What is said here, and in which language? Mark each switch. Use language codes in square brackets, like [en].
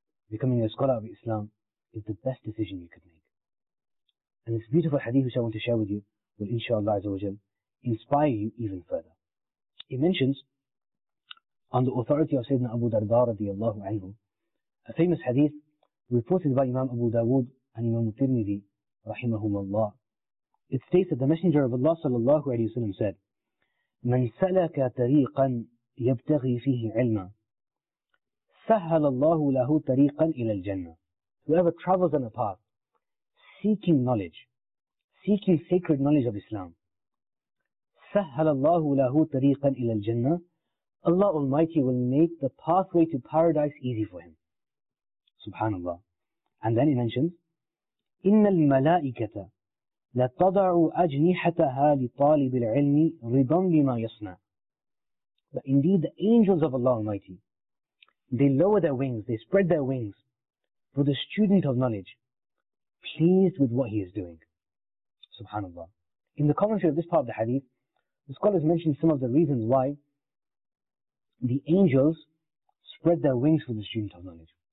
[en] Becoming a scholar of Islam is the best decision you could make. And this beautiful hadith which I want to share with you will inshallah azawajal inspire you even further. It mentions on the authority of Sayyidina Abu Darda radiallahu anhu, a famous hadith reported by Imam Abu Dawood and Imam Tirmidhi رحمهم الله. It states that the Messenger of Allah [ar] صلى الله عليه وسلم said, من سلك طريقا يبتغي فيه علما سهل الله له طريقا إلى الجنة. [en] Whoever travels on a path seeking knowledge, seeking sacred knowledge of Islam, [ar] سهل الله له طريقا إلى الجنة, [en] Allah Almighty will make the pathway to paradise easy for him. Subhanallah. And then he mentions, [ar] إِنَّ الْمَلَائِكَةَ لَتَضَعُ أَجْنِحَتَهَا لِطَالِبِ الْعِلْمِ رِضًا بِمَا يَصْنَعُ. [en] But indeed the angels of Allah Almighty, they lower their wings, they spread their wings for the student of knowledge, pleased with what he is doing. Subhanallah. In the commentary of this part of the hadith, the scholars mention some of the reasons why the angels spread their wings for the student of knowledge.